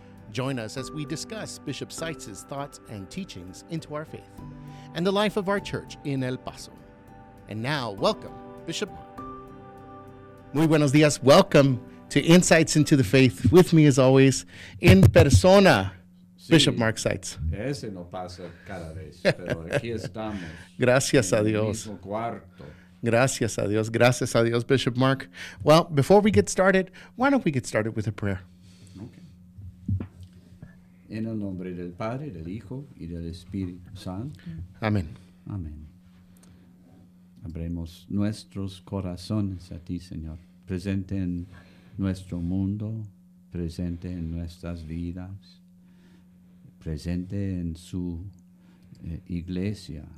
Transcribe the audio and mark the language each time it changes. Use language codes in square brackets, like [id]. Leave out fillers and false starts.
[en] Join us as we discuss Bishop Seitz's thoughts and teachings into our faith and the life of our church in El Paso. And now, welcome, Bishop Mark. [es] Muy buenos dias. [en] Welcome to Insights into the Faith. With me, as always, in persona, sí, Bishop Mark Seitz. [es] Es en El Paso cada vez, pero aquí estamos. Gracias a Dios. En el mismo cuarto. Gracias a Dios. Gracias a Dios, Bishop Mark. [en] Well, before we get started, why don't we get started with a prayer? Okay. [es] En el nombre del Padre, del Hijo, y del Espíritu Santo. Amén. Amén. Abremos nuestros corazones a ti, Señor. Presente en nuestro mundo, presente en nuestras vidas, presente en su iglesia.